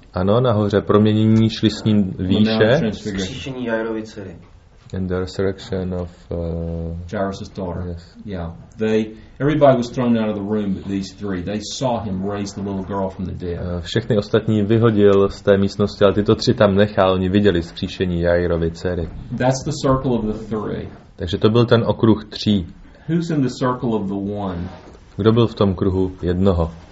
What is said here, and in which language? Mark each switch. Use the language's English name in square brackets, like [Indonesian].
[Czech] Ano, nahoře proměnění šli s ním výše. Vzkříšení Jairovy dcery. [English] And the resurrection of Jairus's daughter. Yes. Yeah. Everybody was thrown out of the room but these three. They saw him raise the little girl from the dead. [Czech] Všechny ostatní vyhodil z té místnosti, ale tyto tři tam nechal, oni viděli vzkříšení Jairovy dcery. [English] That's the circle of the three. [Czech] Takže to byl ten okruh tří. [English] Who's in the circle of the one? [Czech] Kdo byl v tom kruhu jednoho?